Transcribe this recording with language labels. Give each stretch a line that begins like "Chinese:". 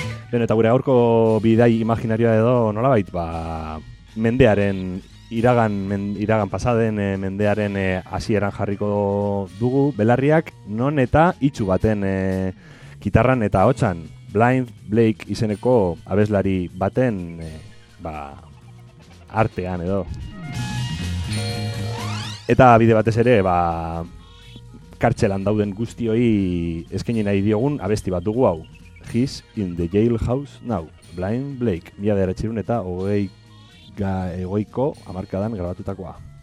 Basque: Beno, eta gure aurko bidai imaginarioa edo nolabait, ba, mendearen, iragan pasaden mendearen hasieran jarriko dugu, belarriak, non eta itxu baten kitarran eta hotxan, Blind Blake izeneko abeslari baten, ba, artean edo. Eta bide batez ere, ba, kartzelan dauden guztioi eskaini nahi diogun abesti bat dugu hau.
English: He's in the jailhouse now.
Basque: Blind Blake, 1900 eta hogeiko hamarkadan grabatutakoa.